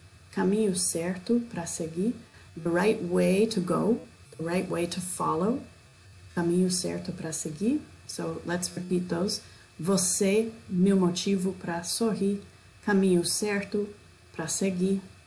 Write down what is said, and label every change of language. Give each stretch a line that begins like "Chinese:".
Portuguese: Caminho certo para seguir.
English: The right way to go, the right way to follow.
Portuguese: Caminho certo para seguir.
English: So let's repeat those.
Portuguese: Você, meu motivo para sorrir. Caminho certo para seguir.